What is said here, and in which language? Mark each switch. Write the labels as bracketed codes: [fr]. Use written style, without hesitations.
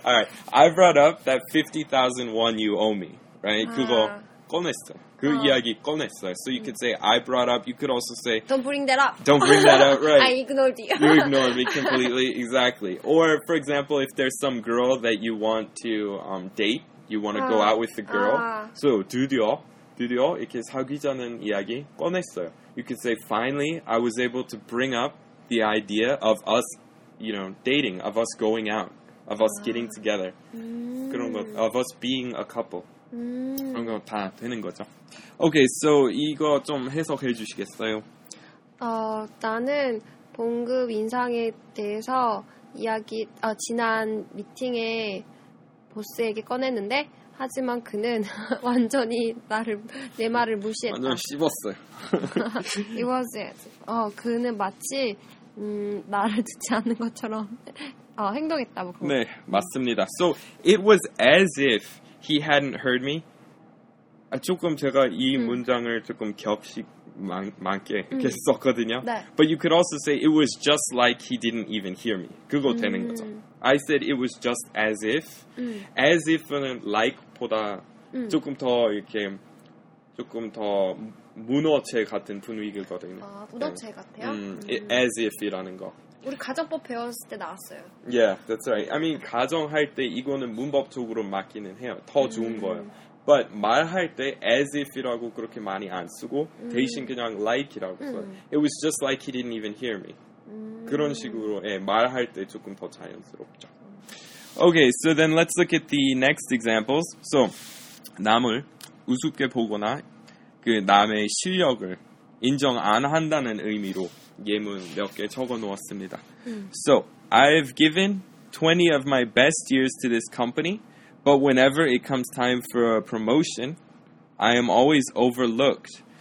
[en] All right, I brought up that 50,000 won you owe me, right? [ko] 그거 꺼냈어. 그 이야기 꺼냈어. [en] So you could say I brought up. You could also say Don't bring that up. Right. I ignored you. You ignored me completely. Exactly. Or for example, if there's some girl that you want to date, you want to go out with the girl. [ko] So 드디어 이렇게 사귀자는 이야기 꺼냈어요. [en] You could say, finally, I was able to bring up the idea of us, you know, dating, of us going out, of us getting together, [ko] 그런 거, [en] of us being a couple. [ko] 그런 거 다 되는 거죠. [en] Okay, so [ko] 이거 좀 해석해 주시겠어요? 나는 봉급 인상에 대해서 이야기, 지난 미팅에 보스에게 꺼냈는데, 하지만 그는 완전히 나를 내 말을 무시했다. 완전 씹었어요. [en] It was it. [ko] 그는 마치 나를 듣지 않는 것처럼 행동했다. 뭐, 네, 맞습니다. [en] So it was as if he hadn't heard me. [ko] 조금 제가 이 문장을 조금 격식 많게 이렇게 썼거든요. 네. [en] But you could also say it was just like he didn't even hear me. [ko] 그거 되는 거죠. [en] I said it was just as if. [ko] As if는 like보다 조금 더 이렇게 조금 더 문어체 같은 분위기거든요. 아, 문어체 같아요? As if이라는 거. 우리 가정법 배웠을 때 나왔어요. [en] Yeah, that's right. I mean, [ko] 가정할 때 이거는 문법적으로 맞기는 해요. 더 좋은 거예요. But 말할 때 as if이라고 그렇게 많이 안 쓰고 대신 그냥 like이라고 써요. [en] It was just like he didn't even hear me. [ko] 그런 식으로 예, 말할 때 조금 더 자연스럽죠. [en] Okay, so then let's look at the next examples. [ko] So, 남을 우습게 보거나 그 남의 실력을 인정 안 한다는 의미로 예문 몇 개 적어 놓았습니다. [en] So, I've given 20 of my best years to this company, but whenever it comes time for a promotion, I am always overlooked.